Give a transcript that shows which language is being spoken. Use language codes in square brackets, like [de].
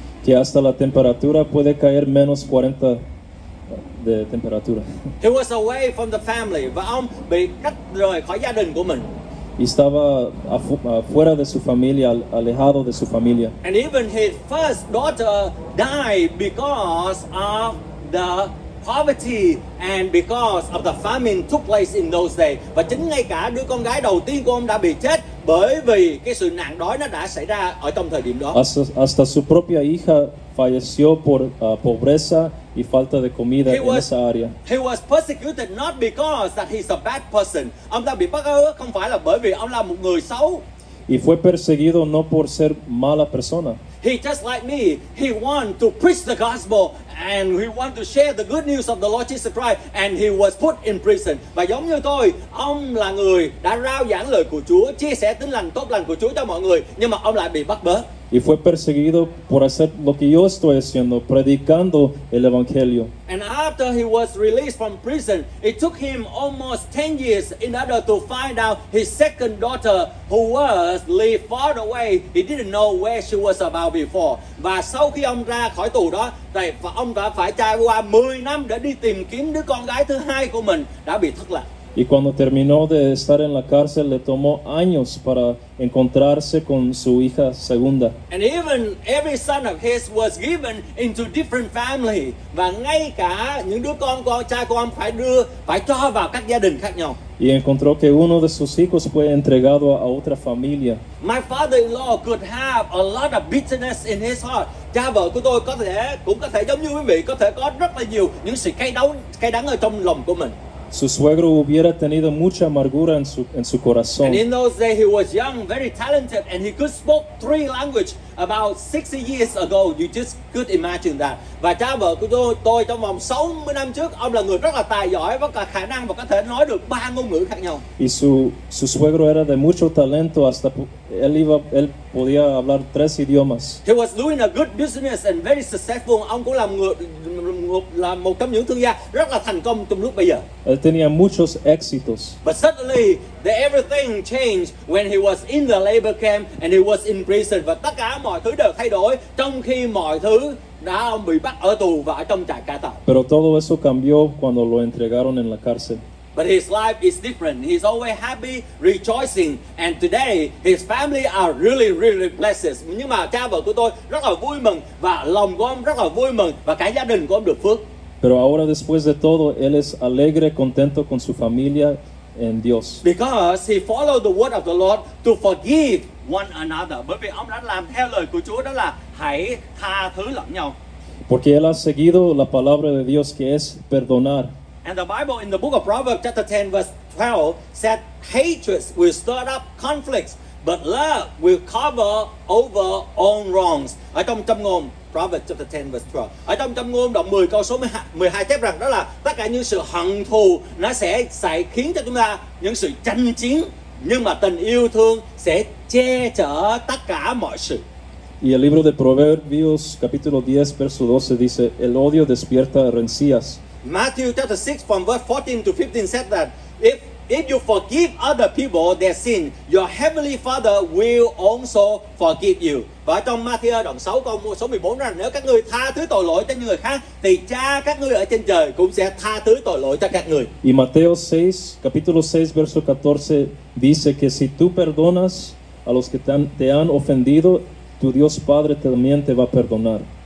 [es] Que hasta la temperatura puede caer menos 40 de temperatura. [en] He was away from the family, [vi] và ông bị cách rời khỏi gia đình của mình. [es] Y estaba afuera de su familia, alejado de su familia. [en] And even his first daughter died because of the poverty and because of the famine took place in those days. [vi] Và chính ngay cả đứa con gái đầu tiên của ông đã bị chết bởi vì cái sự nạn đói nó đã xảy ra ở trong thời điểm đó. [es] Hasta su propia hija falleció por pobreza y falta de comida en esa área. [en] He was persecuted not because that he's a bad person. [vi] Ông ta bị bắt ớ không phải là bởi vì ông là một người xấu. [es] Y fue perseguido no por ser mala persona. [en] He just like me, he want to preach the gospel and he want to share the good news of the Lord Jesus Christ and he was put in prison. [vi] Và giống như tôi, ông là người đã rao giảng lời của Chúa, chia sẻ tin lành tốt lành của Chúa cho mọi người, nhưng mà ông lại bị bắt bớ. [es] Y fue perseguido por hacer lo que yo estoy haciendo, predicando el evangelio. [en] And after he was released from prison, it took him almost 10 years in order to find out his second daughter who was lived far away. He didn't know where she was about before. [vi] Và sau khi ông ra khỏi tù đó, thì ông đã phải trải qua 10 năm để đi tìm kiếm đứa con gái thứ hai của mình đã bị thất lạc. [es] Y cuando terminó de estar en la cárcel, le tomó años para encontrarse con su hija segunda. [en] And even every son of his was given into different family. [vi] Và ngay cả những đứa con trai con phải cho vào các gia đình khác nhau. [es] Y encontró que uno de sus hijos fue entregado a otra familia. [en] My father-in-law could have a lot of bitterness in his heart. [vi] Cha vợ của tôi cũng có thể giống như quý vị, có thể có rất là nhiều những sự cay đắng ở trong lòng của mình. [es] Su suegro hubiera tenido mucha amargura en su corazón. [en] And in those days he was young, very talented, and he could speak 3 languages about 60 years ago. You just could imagine that. [vi] Và cha vợ của tôi trong vòng 60 năm trước, ông là người rất là tài giỏi và có khả năng và có thể nói được 3 ngôn ngữ khác nhau. [es] Y su suegro era de mucho talento, hasta él podía hablar 3 idiomas. [en] He was doing a good business and very successful. [vi] Ông cũng là một trong những thương gia rất là thành công trong lúc bây giờ. [es] Él tenía muchos éxitos. [en] But suddenly, everything changed when he was in the labor camp and he was in prison. [vi] Và tất cả mọi thứ đều thay đổi trong khi mọi thứ đã ông bị bắt ở tù và ở trong trại cải tạo. [es] Pero todo eso cambió cuando lo entregaron en la cárcel. [en] But his life is different. He's always happy, rejoicing, and today his family are really, really blessed. [vi] Nhưng mà cha vợ của tôi rất là vui mừng và lòng của ông rất là vui mừng và cả gia đình của ông được phước. [es] Pero ahora después de todo, él es alegre, contento con su familia en Dios. [en] Because he followed the word of the Lord to forgive one another. [vi] Bởi vì ông đã làm theo lời của Chúa, đó là hãy tha thứ lẫn nhau. [es] Porque él ha seguido la palabra de Dios que es perdonar. [en] And the Bible in the book of Proverbs chapter 10 verse 12 said, hatred will stir up conflicts, but love will cover over all wrongs. [vi] Ở trong châm ngôn, [en] Proverbs chapter 10 verse 12. [vi] Ở trong châm ngôn đoạn 10 câu số 12 chép rằng đó là tất cả những sự hận thù nó sẽ giải khiến cho chúng ta những sự tranh chiến, nhưng mà tình yêu thương sẽ che chở tất cả mọi sự. [es] Y el libro de Proverbios capítulo 10 verso 12 dice, el odio despierta rencillas. [en] Matthew chapter 6 from verse 14 to 15 said that if you forgive other people their sin, your heavenly Father will also forgive you. [vi] Và trong Matthew đoạn 6 câu số 14 rằng nếu các ngươi tha thứ tội lỗi cho những người khác thì cha các ngươi ở trên trời cũng sẽ tha thứ tội lỗi cho các ngươi. [es] Y Mateo 6 capítulo 6 verso 14 dice que si tú perdonas a los que te han ofendido, tu Dios Padre también te va a perdonar.